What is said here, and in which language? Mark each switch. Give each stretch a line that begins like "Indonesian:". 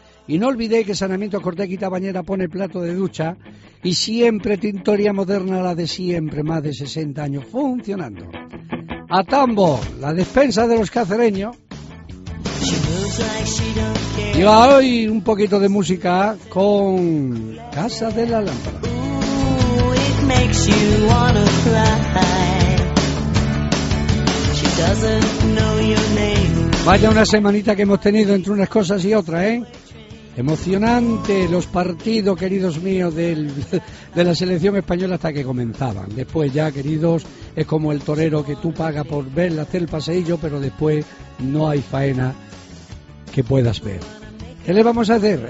Spanish: Y no olvidéis que Saneamiento Cortés quita bañera, pone plato de ducha y siempre tintoría moderna, la de siempre, más de 60 años funcionando. A Tambo, la despensa de los cacereños. Y hoy un poquito de música con Casa de la Lámpara.
English: Ooh, it makes you wanna cry. She doesn't know your name.
Spanish: Vaya una semanita que hemos tenido entre unas cosas y otras, ¿eh? Emocionante los partidos, queridos míos, de la selección española hasta que comenzaban. Después ya, queridos, es como el torero que tú pagas por ver hacer el paseillo, pero después no hay faena que puedas ver. ¿Qué le vamos a hacer?